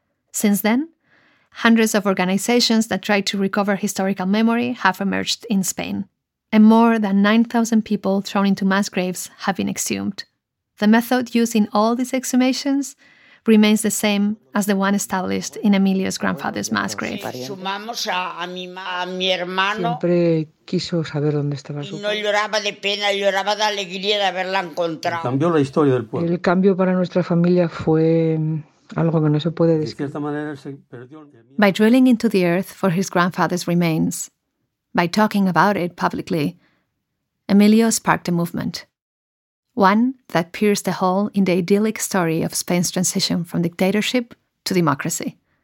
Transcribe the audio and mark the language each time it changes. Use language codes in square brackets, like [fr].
[en] Since then, hundreds of organizations that try to recover historical memory have emerged in Spain, and more than 9,000 people thrown into mass graves have been exhumed. The method used in all these exhumations remains the same as the one established in Emilio's grandfather's mass grave. [es] Sumamos a mi hermano. Siempre quiso saber dónde estaba su padre. No lloraba de pena, lloraba de alegría de haberla encontrado. Cambió la historia del pueblo. El cambio para nuestra familia fue algo que no se puede decir. De esta manera se perdió. [en] By drilling into the earth for his grandfather's remains, by talking about it publicly, Emilio sparked a movement. One that pierced a hole in the idyllic story of Spain's transition from dictatorship to democracy.